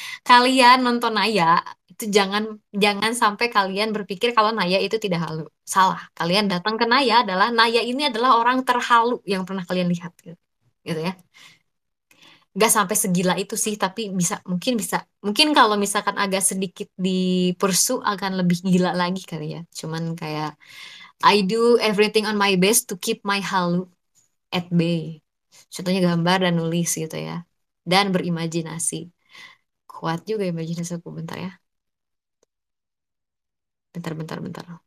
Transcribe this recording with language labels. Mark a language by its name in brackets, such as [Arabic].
[Indonesian] Kalian nonton Naya itu jangan jangan sampai kalian berpikir kalau Naya itu tidak halu. Salah. Kalian datang ke Naya adalah Naya ini adalah orang terhalu yang pernah kalian lihat gitu. Gitu ya. Gak sampai segila itu sih, tapi bisa mungkin bisa. Mungkin kalau misalkan agak sedikit dipersu akan lebih gila lagi kali ya. Cuman kayak [English] I do everything on my best to keep my halu at bay. [Indonesian] Contohnya gambar dan nulis gitu ya. Dan berimajinasi. Kuat juga imajinasi aku, bentar ya. Bentar, bentar, bentar.